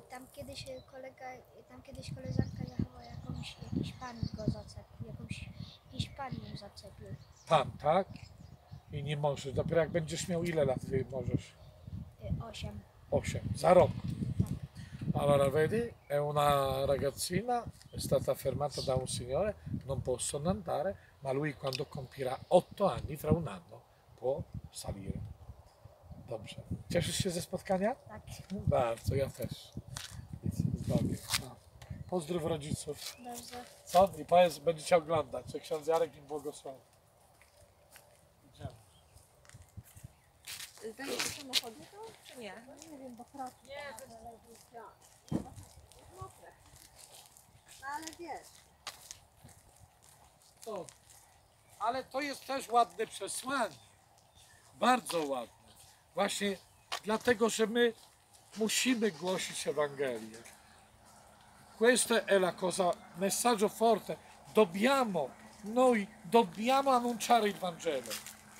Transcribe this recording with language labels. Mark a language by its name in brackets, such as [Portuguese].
[Polish] Tam kiedyś koleżanka jechała jakąś hiszpanią zaczepił. Pan, tak? I nie możesz. Dopiero jak będziesz miał ile lat możesz? 8. 8. Za rok. Tak. [Italian] Allora vedi, è una ragazzina, è stata fermata da un signore, non possono andare, ma lui quando compirà 8 anni tra un anno può salire. [Polish] Dobrze. Cieszysz się ze spotkania? Tak. Bardzo, ja też. Zdrowie. Pozdrów rodziców. Dobrze. Co? I powiedz, będziecie oglądać. Czy ksiądz Jarek im błogosławi. Idziemy. Będzie to samochodnie to, czy nie? Nie wiem, bo pracuje. Nie, to jest mokre. No ale wiesz. To. Ale to jest też ładne przesłanie. Bardzo ładne. Właśnie dlatego, że my musimy głosić Ewangelię. [Italian] Questa è la cosa, messaggio forte. Dobbiamo annunciare il Vangelo.